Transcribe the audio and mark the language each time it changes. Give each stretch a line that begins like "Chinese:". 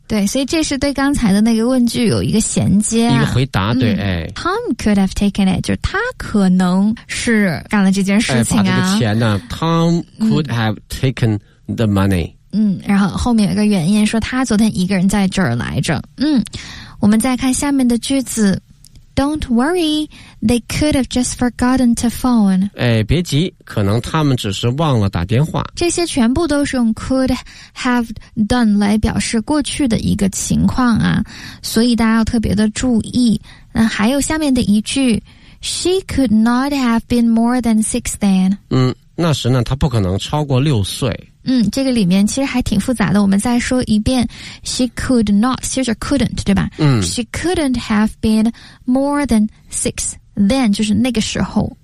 Chinese: 对，所以这是对刚才的那个问句有一个衔接、一个回答，对、
English: Tom could have taken it,
Chinese: 就是他可能是干了这件事情啊。把这个钱呢
English: ,Tom could have taken the money。
Chinese: 然后后面有一个原因说他昨天一个人在这儿来着。我们再看下面的句子。
English: Don't worry, they could have just forgotten to phone.
Chinese: 别急，可能他们只是忘了打电话。这些全部都是用 could have done 来表示过去的一个情况啊，所以大家要特别的注意。那还有下面的一句
English: She could not have been more than 6 then.
Chinese: 嗯，那时呢，她不可能超过六岁。嗯，这个里面其实还挺复杂的，我们再说一遍。
English: She could not,
Chinese: 其实是 couldn't, 对吧？嗯。
English: She couldn't have been more than 6 then,
Chinese: 就是那个时候。